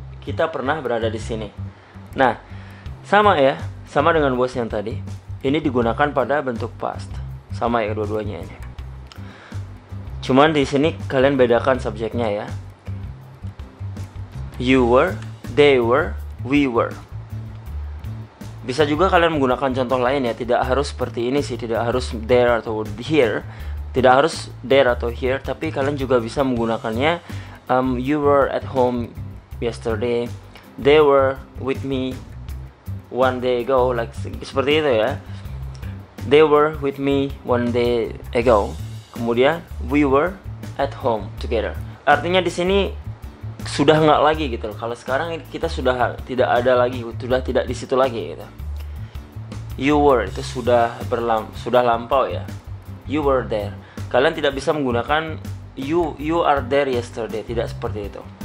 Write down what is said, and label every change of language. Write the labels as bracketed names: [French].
[Indonesian] Kita pernah berada di sini. Nah, sama ya, sama dengan was yang tadi. Ini digunakan pada bentuk past. Sama ya dua-duanya ini. Cuman di sini kalian bedakan subjeknya ya. [English] You were, they were, we were. [Indonesian] Bisa juga kalian menggunakan contoh lain ya. Tidak harus seperti ini sih. Tidak harus there atau here. Tidak harus there atau here. Tapi kalian juga bisa menggunakannya. [English] You were at home yesterday. They were with me one day ago. Like [Indonesian] seperti itu ya. [English] They were with me one day ago. [Indonesian] Kemudian [English] we were at home together. [Indonesian] Artinya di sini sudah enggak lagi gitu loh. Kalau sekarang kita sudah tidak ada lagi, sudah tidak di situ lagi gitu. You were itu sudah lampau ya. [English] You were there. [Indonesian] Kalian tidak bisa menggunakan [English] you are there yesterday, [Indonesian] tidak seperti itu.